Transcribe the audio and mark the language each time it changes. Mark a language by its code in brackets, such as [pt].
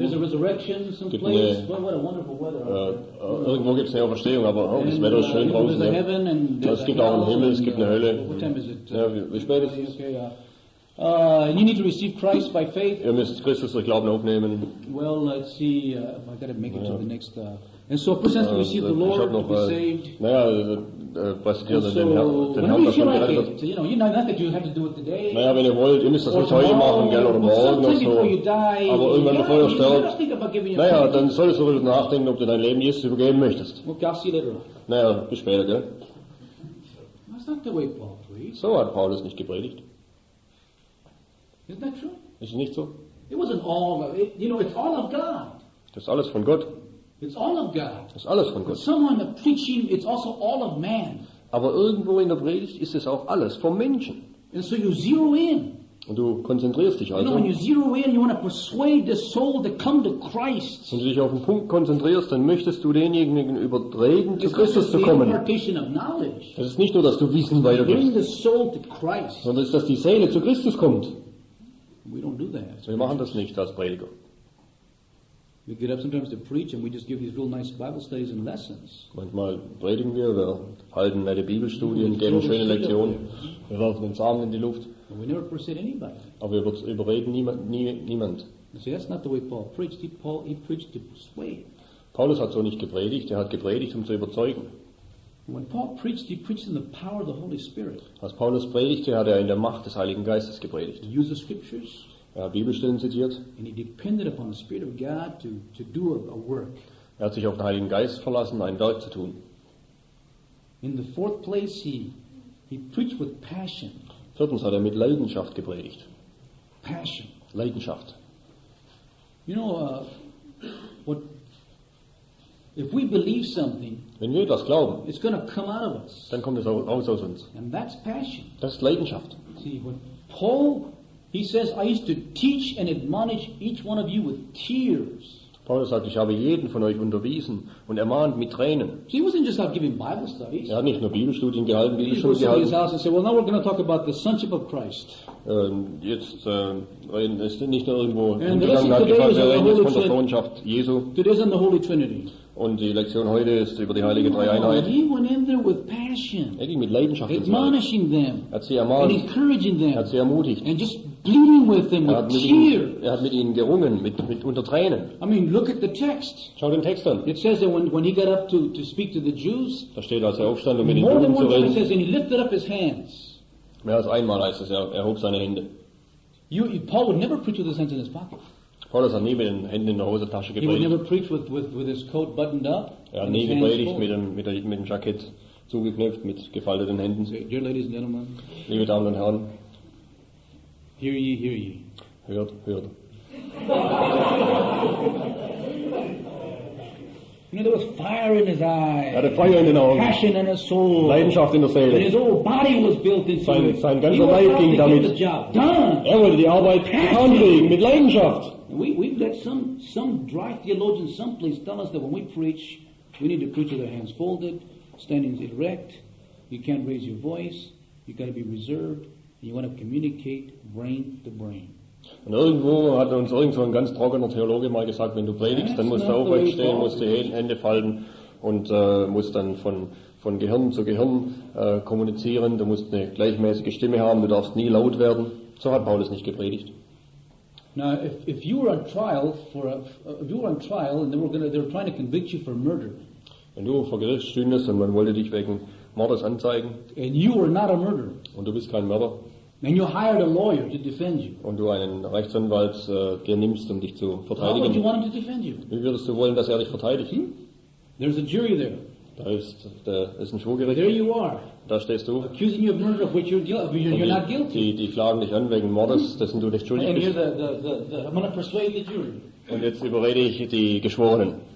[en] There's a resurrection someplace. [de] Eine, [en] well, what a wonderful weather. [de] Irgendwo gibt es eine Auferstehung, aber oh, das Wetter ist schön draußen. [en] There's a heaven and [de] es gibt auch einen Himmel, es gibt eine Hölle. [en] What time is it? [de] Ja, wie spät ist es? [en] You need to receive Christ by faith. [de] Ihr müsst Christus durch Glauben aufnehmen. [en] Well, let's see. I got to make it to the next. And so, first, as we receive the Lord, to be saved. [de] Naja, präsentieren den Herrn, dass man gerettet wird. [en] Not that you have to do it today. [de] Naja, wenn ihr wollt, ihr müsst das nicht heute machen, gell, oder morgen oder so. Aber irgendwann, bevor ihr sterbt, naja, dann solltest du darüber nachdenken, ob du dein Leben Jesus übergeben möchtest. [en] Okay, I'll see you later. [de] Naja, bis später, gell. [en] That's not the way Paul preached. [de] So hat Paulus nicht gepredigt. [en] Isn't that true? [de] Ist es nicht so? [en] It wasn't all of it. You know, it's all of God. [de] Das ist alles von Gott. [en] It's all of God. [de] Das ist alles von Gott. [en] But someone preaching, it's also all of man. [de] Aber irgendwo in der Predigt ist es auch alles vom Menschen. [en] And so you zero in. [de] Und du konzentrierst dich also. [en] You know, when you zero in, you want to persuade the soul to come to Christ. [de] Wenn du dich auf den Punkt konzentrierst, dann möchtest du denjenigen überreden, zu Christus zu kommen. Das ist nicht nur, dass du Wissen weitergibst. [en] Bring the soul to Christ. [de] Sondern es ist, dass die Seele zu Christus kommt. [en] We don't do that. [de] Wir machen das nicht als Prediger. [en] We get up sometimes to preach and we just give these real nice Bible studies and lessons. [de] Manchmal predigen wir halten nette Bibelstudien, geben schöne Lektionen. Wir werfen den Samen in die Luft. [en] But we never persuade anybody. [de] Aber wir überreden niemand. [en] See, that's not the way Paul preached. He preached to persuade. [de] Paulus hat so nicht gepredigt. Er hat gepredigt, um zu überzeugen. [en] When Paul preached, he preached in the power of the Holy Spirit. [de] Als Paulus predigte, hat er in der Macht des Heiligen Geistes gepredigt. [en] He used the scriptures. [de] Er hat Bibelstellen zitiert. [en] And he depended upon the Spirit of God to do a work. [de] Er hat sich auf den Heiligen Geist verlassen, ein Werk zu tun. [en] In the fourth place, he preached with passion. [de] Viertens hat er mit Leidenschaft gepredigt. [en] Passion. [de] Leidenschaft. [en] You know, what? If we believe something, [de] wenn wir etwas glauben, [en] it's going to come out of us. [de] Dann kommt es raus aus uns. [en] And that's passion. [de] Das ist Leidenschaft. [en] See, when Paul, he says, I used to teach and admonish each one of you with tears. [de] Paulus sagt, ich habe jeden von euch unterwiesen und ermahnt mit Tränen. [en] See, he wasn't just out giving Bible studies. [de] Er hat nicht nur Bibelstudien gehalten, Bibelstudien gehalten. [en] He said, well, now we're going to talk about the sonship of Christ. [de] Jetzt ist nicht nur irgendwo hingegangen, hat gefragt, wir reden jetzt von der Sohnschaft Jesu. [en] Today's on the Holy Trinity. [de] Und die Lektion heute ist über die heilige Dreieinheit. [en] He went in there with passion. [de] Er ging mit Leidenschaft ins Werk. [en] Admonishing them. [de] Er hat sie ermahnt. [en] And encouraging them. [de] Er hat sie ermutigt. [en] And just pleading with them with tears. [de] Er hat mit ihnen gerungen, mit unter Tränen. [en] I mean, look at the text. [de] Schau den Text an. [en] It says that when he got up to speak to the Jews. [de] Da steht, als er aufstand, um mit den Juden zu reden. [en] More than once, he lifted up his hands. [de] Mehr als einmal heißt es, er hob seine Hände. [en] Paul would never preach with his hands in his pocket. [de] Paulus hat nie mit den Händen in der Hosentasche gepredigt. [en] He would never preach with his coat buttoned up. [de] Er hat nie gepredigt mit dem Jackett zugeknöpft, mit gefalteten Händen. [en] Dear ladies and gentlemen. [de] Liebe Damen und Herren. [en] Hear ye, hear ye. [de] Hört, hört. [en] You know, there was fire in his eyes. [de] Er hatte Feuer in den Augen. [en] Passion in his soul. [de] Leidenschaft in der Seele. [en] And his whole body was built into it. [de] Sein ganzer Leib ging damit. Er wollte die Arbeit getan kriegen mit Leidenschaft. [en] We've got some dry theologians someplace tell us that when we preach, we need to preach with our hands folded, standing erect. You can't raise your voice. You got to be reserved. You want to communicate brain to brain. [de] Und irgendwo hat uns irgend so ein ganz trockener Theologe mal gesagt, wenn du predigst, dann musst du aufrecht stehen, musst die Hände falten und musst dann von von Gehirn zu Gehirn kommunizieren, du musst eine gleichmäßige Stimme haben, du darfst nie laut werden. So hat Paulus nicht gepredigt. [en] Now, if you were on trial for if you were on trial and they were trying to convict you for murder. [de] Wenn du vor Gericht stündest und man wollte dich wegen Mordes anzeigen. [en] And you were not a murderer. [de] Und du bist kein Mörder. [en] And you hired a lawyer to defend you. [de] Und du einen Rechtsanwalt dir nimmst, um dich zu verteidigen. [en] How would you want him to defend you? [de] Wie würdest du wollen, dass er dich verteidigt? Hmm? [en] There's a jury there. [de] Da ist ein Schwurgericht. [en] There you are. [de] Da stehst du. [en] Accusing you of murder of which you're not guilty. [de] Die klagen dich an wegen Mordes, dessen du nicht schuldig [en] and [de] bist. [en] I'm going to persuade the jury. [de] Und jetzt überrede ich die Geschworenen.